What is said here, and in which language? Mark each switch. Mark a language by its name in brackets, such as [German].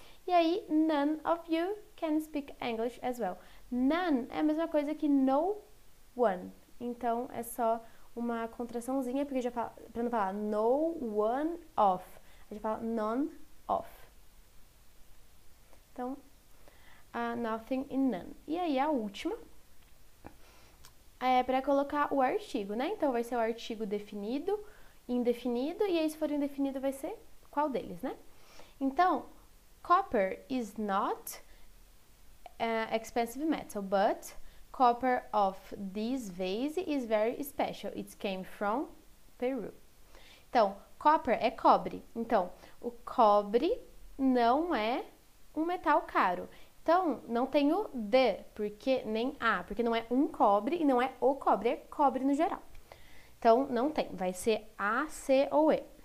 [Portuguese] E aí, [English] none of you can speak English as well. [Portuguese] None é a mesma coisa que no one. Então é só uma contraçãozinha, porque já fala, para não falar no one of, a gente fala none of. Então, nothing in none. E aí a última. Para colocar o artigo, né? Então, vai ser o artigo definido, indefinido, e aí, se for indefinido, vai ser qual deles, né? [English] Então, copper is not expensive metal, but copper of this vase is very special. It came from Peru. [Portuguese] Então, copper é cobre. Então, o cobre não é um metal caro. Então, não tenho de, porque nem a, porque não é um cobre e não é o cobre, é cobre no geral. Então, não tem, vai ser a, c ou e.